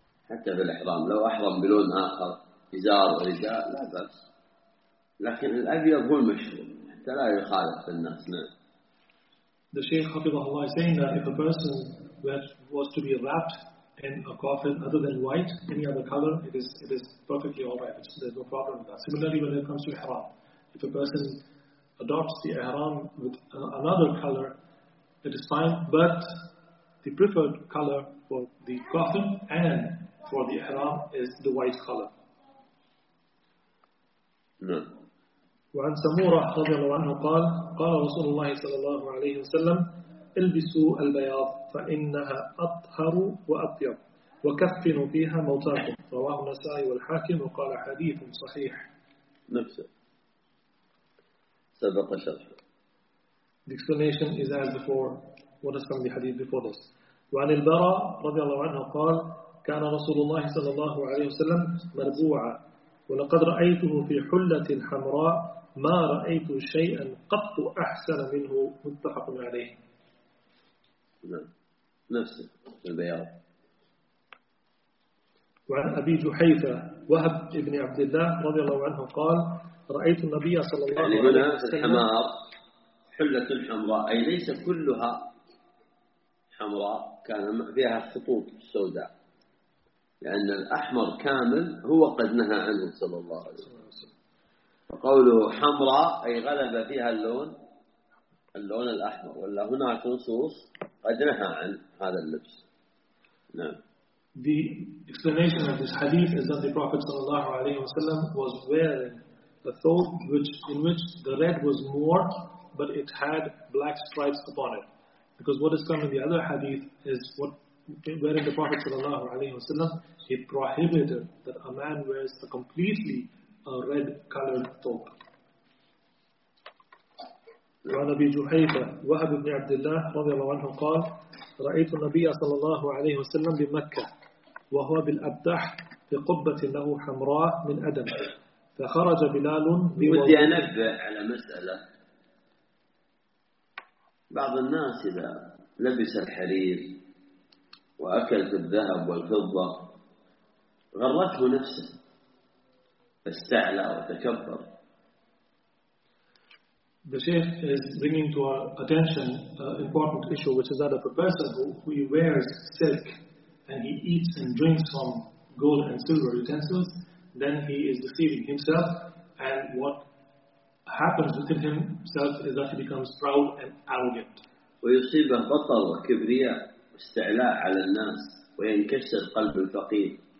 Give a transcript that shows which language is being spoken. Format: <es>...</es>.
<ar>حتى في الإحرام لو أحرم بلون آخر إزار ورداء لا بأس، لكن الأبيض هو المشروع حتى لا يخالف الناس.</ar> <en>The Shaykh</en> <ar>حفظه الله</ar> <en>is saying that if a person was to be wrapped in a coffin other than white, any other color, it is perfectly all right. There's no problem with that. Similarly, when it comes to ihram, if a person adopts the ihram with another color, it is fine, but the preferred color for the coffin and for the ihram is the white color.</en> <ar>وعن سمورة رضي الله عنه قال قال رسول الله صلى الله عليه وسلم البسوا البياض فإنها أطهر وأطيب وكفنوا فيها موتاكم. رواه النسائي والحاكم وقال حديث صحيح. نفسه سبق شرحه.</ar> <en>The explanation is as before. What has come in the hadith before this?</en> <ar>وعن البراء رضي الله عنه قال كان رسول الله صلى الله عليه وسلم مربوعا ولقد رأيته في حلة حمراء ما رأيت شيئا قط أحسن منه. متفق عليه. نفسه البياض. وعن أبي جحيفة وهب ابن عبد الله رضي الله عنه قال رأيت النبي صلى الله عليه وسلم حمار حلة حمراء أي ليس كلها حمراء, كان فيها خطوط سوداء, لأن الأحمر كامل هو قد نهى عنه صلى الله عليه وسلم. فقوله حمراء أي غلب فيها اللون الأحمر, ولا هناك نصوص قد نهى عن هذا اللبس. نعم.</ar> <en>The explanation of this hadith is that the Prophet sallallahu alaihi wasallam was wearing a thobe in which the red was more, but it had black stripes upon it. Because what is come in the other hadith is what wearing the Prophet sallallahu alaihi wasallam, he prohibited that a man wears a completely a red colored thobe.</en> <ar>وعن أبي جحيفة وهب بن عبد الله رضي الله عنه قال رأيت النبي صلى الله عليه وسلم بمكة وهو بالأبدح بقبة له حمراء من أدم, فخرج بلال بودي أنبه على مسألة. بعض الناس إذا لبس الحرير وأكل الذهب والفضة غرته نفسه, استعلى وتكبر.</ar> <en>The Sheikh is bringing to our attention an important issue, which is that of a person who wears silk and he eats and drinks from gold and silver utensils, then he is deceiving himself, and what happens within himself is that he becomes proud and arrogant.</en> <ar>ويصيب البطل وكبرياء واستعلاء على الناس وينكسر قلب الفقير.</ar>